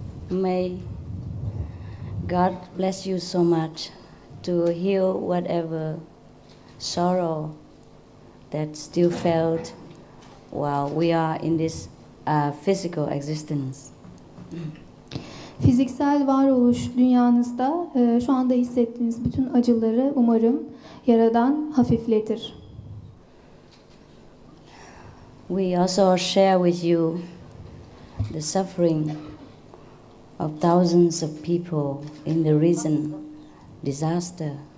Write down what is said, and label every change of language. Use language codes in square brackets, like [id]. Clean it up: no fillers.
[en] May God bless you so much to heal whatever sorrow that still felt while we are in this physical existence. [tr] Fiziksel varoluş dünyanızda şu anda hissettiğiniz bütün acıları umarım Yaradan hafifletir. [en] We also share with you the suffering of thousands of people in the recent disaster.